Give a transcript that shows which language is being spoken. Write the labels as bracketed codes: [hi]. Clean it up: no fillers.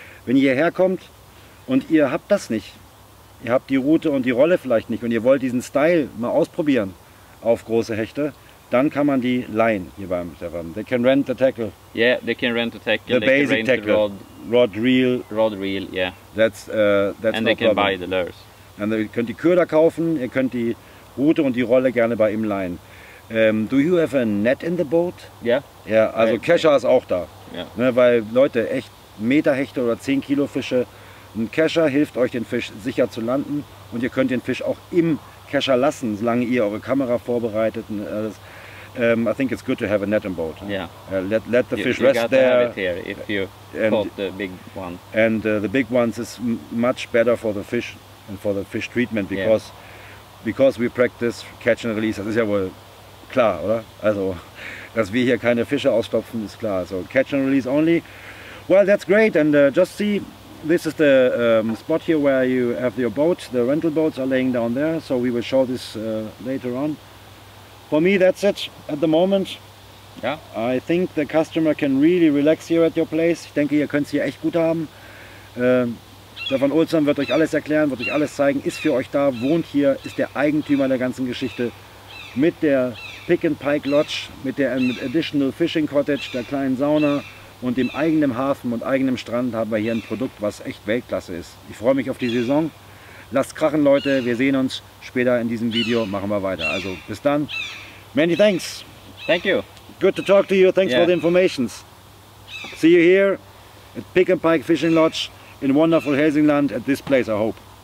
[de] Wenn ihr hierher kommt und ihr habt das nicht, ihr habt die Rute und die Rolle vielleicht nicht und ihr wollt diesen Style mal ausprobieren auf große Hechte, dann kann man die leihen hier beim Stefan. [en] They can rent the tackle. Yeah, they can rent the tackle. they basic can rent tackle. The rod reel. Rod reel, yeah. That's and they can Buy the lures. [de] Und ihr könnt die Köder kaufen, ihr könnt die Rute und die Rolle gerne bei ihm leihen. [en] Do you have a net in the boat? [de] Ja. [en] Yeah. [de] Ja, also Kescher ist auch da. Ja. [en] Yeah. [de] Ne, weil Leute, echt Meterhechte oder 10 Kilo Fische, ein Kescher hilft euch den Fisch sicher zu landen und ihr könnt den Fisch auch im Kescher lassen, solange ihr eure Kamera vorbereitet und alles. [en] I think it's good to have a net in boat. Yeah. Let the fish you rest there. You got to have it here if you caught the big one. And the big ones is much better for the fish. And for the fish treatment, because we practice catch and release. [de] Das ist ja wohl klar, oder? Also, dass wir hier keine Fische ausstopfen, ist klar. [en] So catch and release only. Well, that's great. And just see, this is the spot here where you have your boat. The rental boats are laying down there. So we will show this later on. For me, that's it at the moment. Yeah. I think the customer can really relax here at your place. [de] Ich denke, ihr könnt es hier echt gut haben. Stefan Olsson wird euch alles erklären, wird euch alles zeigen, ist für euch da, wohnt hier, ist der Eigentümer der ganzen Geschichte mit der Pick and Pike Lodge, mit der mit Additional Fishing Cottage, der kleinen Sauna und dem eigenen Hafen und eigenem Strand haben wir hier ein Produkt, was echt Weltklasse ist. Ich freue mich auf die Saison. Lasst krachen, Leute, wir sehen uns später in diesem Video, machen wir weiter. Also bis dann. [en] Many thanks. Thank you. Good to talk to you. Thanks for the informations. See you here at Pick and Pike Fishing Lodge. in wonderful Helsingland at this place, I hope.